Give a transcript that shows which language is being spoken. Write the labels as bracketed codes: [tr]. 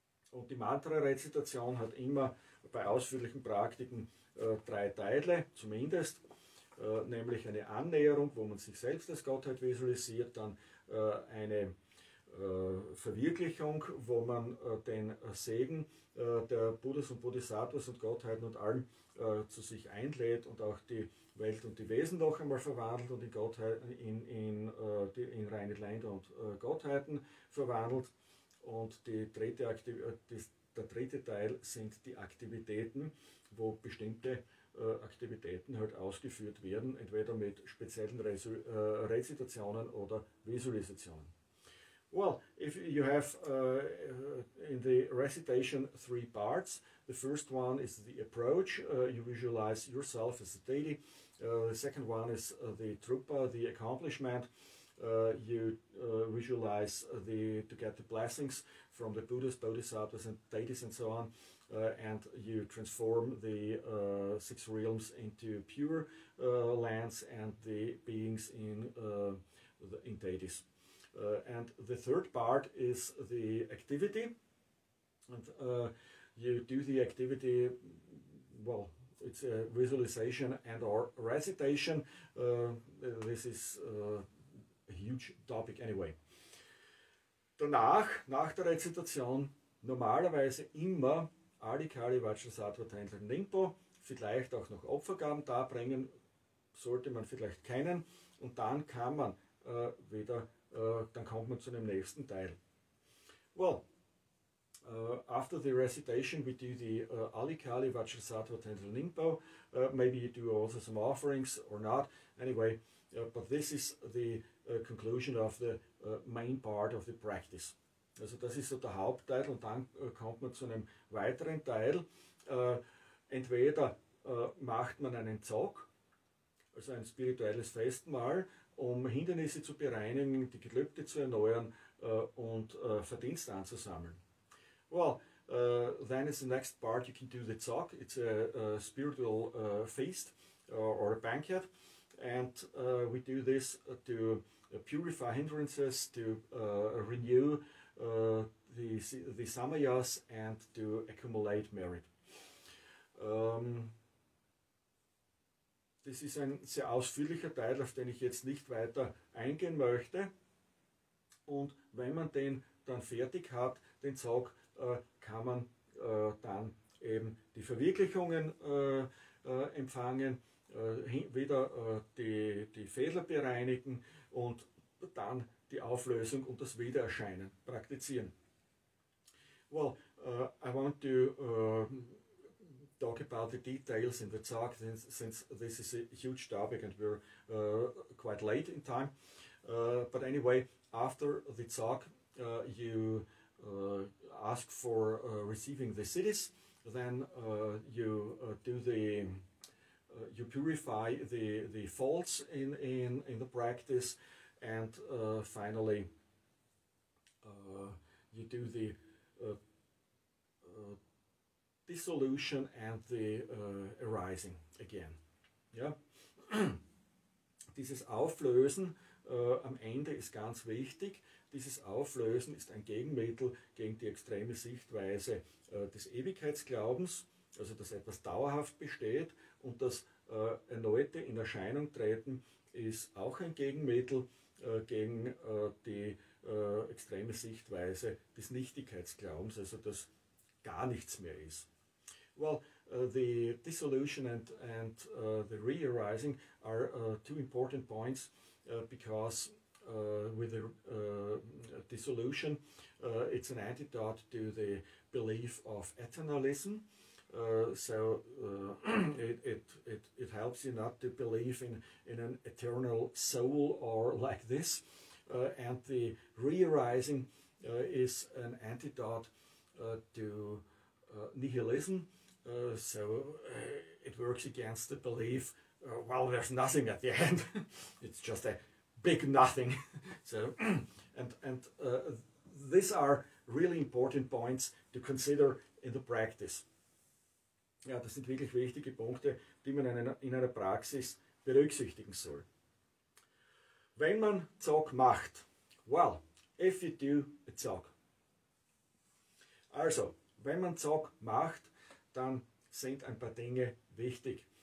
[de] Und die Mantra-Rezitation hat immer bei ausführlichen Praktiken drei Teile, zumindest, nämlich eine Annäherung, wo man sich selbst als Gottheit visualisiert, dann eine Verwirklichung, wo man den Segen der Buddhas und Bodhisattvas und Gottheiten und allen zu sich einlädt und auch die Welt und die Wesen noch einmal verwandelt und in reine Länder und Gottheiten verwandelt. Und der dritte Teil sind die Aktivitäten, wo bestimmte Aktivitäten halt ausgeführt werden, entweder mit speziellen Rezitationen oder Visualisationen. [en] Well, if you have in the recitation three parts, the first one is the approach, you visualize yourself as the deity. The second one is the trupa, the accomplishment, you visualize to get the blessings from the Buddhas, Bodhisattvas and deities and so on, and you transform the six realms into pure lands and the beings in deities. And the third part is the activity, and you do the activity, well, it's a visualization and or recitation. This is a huge topic anyway. [de] Danach, nach der Rezitation, normalerweise immer Adikari, Vajrasattva, Tantra, Ningpo, vielleicht auch noch Opfergaben darbringen, sollte man vielleicht kennen, und dann kann man wieder dann kommt man zu dem nächsten Teil. [en] Well, after the recitation, we do the Alikali, Vajrasattva, Tantra, Ningpo. Maybe you do also some offerings or not. Anyway, but this is the conclusion of the main part of the practice. [de] Also das ist so der Hauptteil, und dann kommt man zu einem weiteren Teil. Entweder macht man einen Zog, also ein spirituelles Festmahl, um Hindernisse zu bereinigen, die Gelübde zu erneuern und Verdienste anzusammeln. [en] Well, then is the next part, you can do the Zog. It's a spiritual feast or a banquet. And we do this to purify hindrances, to renew the samayas and to accumulate merit. [de] Das ist ein sehr ausführlicher Teil, auf den ich jetzt nicht weiter eingehen möchte. Und wenn man den dann fertig hat, den Zog, kann man dann eben die Verwirklichungen empfangen, wieder die Fehler bereinigen und dann die Auflösung und das Wiedererscheinen praktizieren. [en] Well, I want to talk about the details in the Zog, since this is a huge topic and we're quite late in time. But anyway, after the talk, you ask for receiving the cities. Then you do the you purify the faults in the practice, and finally you do the dissolution and the arising again. [de] Yeah, dieses Auflösen am Ende ist ganz wichtig. Dieses Auflösen ist ein Gegenmittel gegen die extreme Sichtweise des Ewigkeitsglaubens, also dass etwas dauerhaft besteht, und das erneute in Erscheinung treten ist auch ein Gegenmittel gegen die extreme Sichtweise des Nichtigkeitsglaubens, also dass gar nichts mehr ist. [en] Well, the dissolution and the re-arising are two important points, because with the dissolution, it's an antidote to the belief of eternalism. So it helps you not to believe in an eternal soul or like this. And the re-arising is an antidote to nihilism. So it works against the belief, well, there's nothing at the end. It's just a big nothing. So, and these are really important points to consider in the practice. [de] Ja, das sind wirklich wichtige Punkte, die man in einer Praxis berücksichtigen soll. Wenn man Zog macht, [en] well, if you do a Zog. [de] Also, wenn man Zog macht, dann sind ein paar Dinge wichtig.